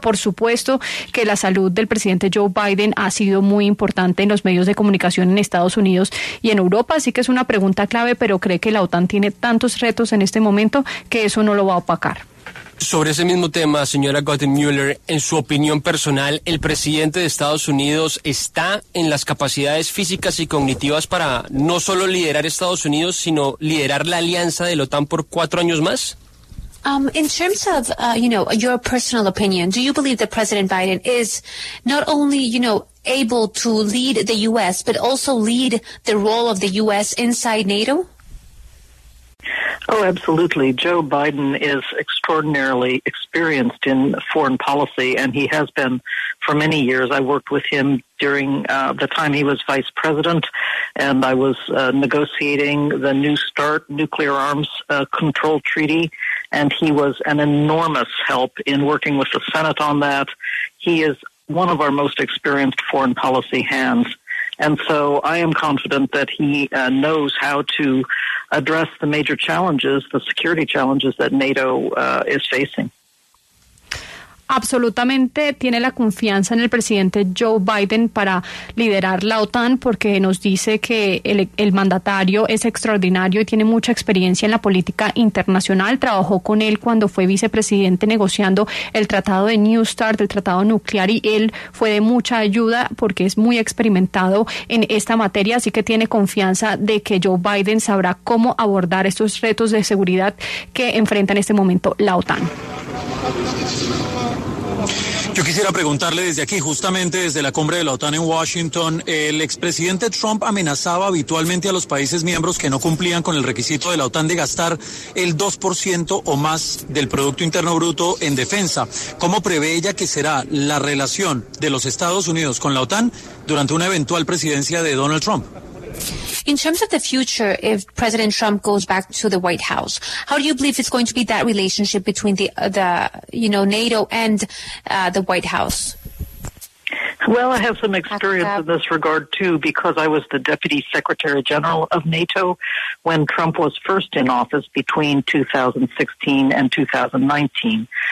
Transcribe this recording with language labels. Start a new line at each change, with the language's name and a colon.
Spanish: Por supuesto que la salud del presidente Joe Biden ha sido muy importante en los medios de comunicación en Estados Unidos y en Europa, así que es una pregunta clave, pero ¿cree que la OTAN tiene tantos retos en este momento que eso no lo va a opacar? Sobre ese mismo tema, señora Gottenmüller, en su opinión personal, ¿el presidente de Estados Unidos está en las capacidades físicas y cognitivas para no solo liderar Estados Unidos, sino liderar la alianza de la OTAN por 4 años más?
English: In terms of, you know, your personal opinion, do you believe that President Biden is not only, you know, able to lead the U.S., but also lead the role of the U.S. inside NATO? Oh, absolutely. Joe Biden is extraordinarily experienced in foreign policy, and he has been for many years. I worked with him during the time he was vice president, and I was negotiating the New START nuclear arms control treaty, and he was an enormous help in working with the Senate on that. He is one of our most experienced foreign policy hands, and so I am confident that he knows how to address the major challenges, the security challenges that NATO is facing.
Spanish: Absolutamente tiene la confianza en el presidente Joe Biden para liderar la OTAN porque nos dice que el mandatario es extraordinario y tiene mucha experiencia en la política internacional. Trabajó con él cuando fue vicepresidente negociando el tratado de New START, el tratado nuclear, y él fue de mucha ayuda porque es muy experimentado en esta materia, así que tiene confianza de que Joe Biden sabrá cómo abordar estos retos de seguridad que enfrenta en este momento la OTAN. Yo quisiera preguntarle desde aquí, justamente desde la cumbre de la OTAN en Washington, el expresidente Trump amenazaba habitualmente a los países miembros que no cumplían con el requisito de la OTAN de gastar el 2% o más del Producto Interno Bruto en defensa. ¿Cómo prevé ella que será la relación de los Estados Unidos con la OTAN durante una eventual presidencia de Donald Trump?
English: In terms of the future, if President Trump goes back to the White House, how do you believe it's going to be that relationship between the you know, NATO and the White House? Well, I have some experience in this regard, too, because I was the Deputy Secretary General of NATO when Trump was first in office between 2016 and 2019.